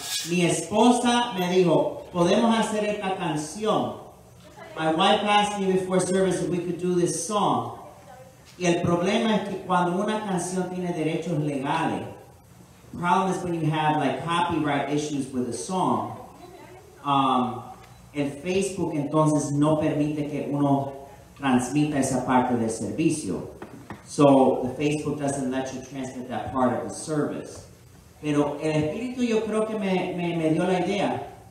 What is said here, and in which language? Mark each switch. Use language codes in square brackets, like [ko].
[es] Mi esposa me dijo, podemos hacer esta canción. [en] My wife asked me before service if we could do this song. [es] Y el problema es que cuando una canción tiene derechos legales, [en] the problem is when you have like copyright issues with a song. [es] El Facebook entonces no permite que uno transmita esa parte del servicio. [en] So the Facebook doesn't let you transmit that part of the service. [es] Pero el Espíritu yo creo que me dio la idea.